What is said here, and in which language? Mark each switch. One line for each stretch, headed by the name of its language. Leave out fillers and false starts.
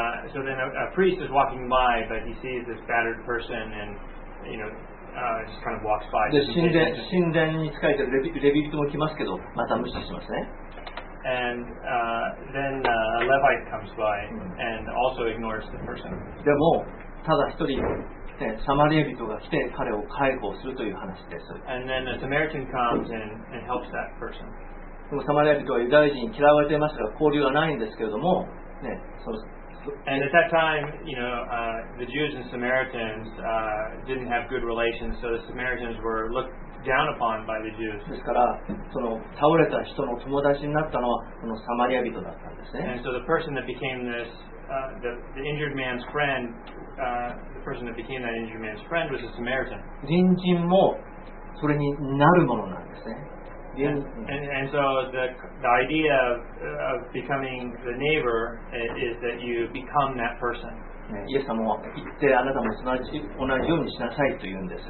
English: So then a priest is walking by, but he sees this battered person and, you know, just kind of walks by.
Japanese: で、神殿に仕えてるレビ人も来ますけど、また無視しますね。
English: And then a Levite comes by and also ignores the person.
Japanese: でも、ただ一人。サマリア人が来て彼を解放するという話です。
English: And then a Samaritan comes and helps that person.
Japanese: でもサマリア人はユダヤ人に嫌われていますが交流がないんですけれども、ね、
English: And at that time, you know, the Jews and Samaritans didn't have good relations, so the Samaritans were looked down upon by the Jews.
Japanese: ですから、その倒れた人の友達になったのはこのサマリア人だったんですね。
English: And so the person that became this, the injured man's friend. The person that became that injured man's friend was a Samaritan.
Japanese: 隣人もそれになるものなんですね。
English: And so the idea of becoming the neighbor is that you become that person.
Japanese: イエス様は言ってあなたも同じようにしなさいと言うんです。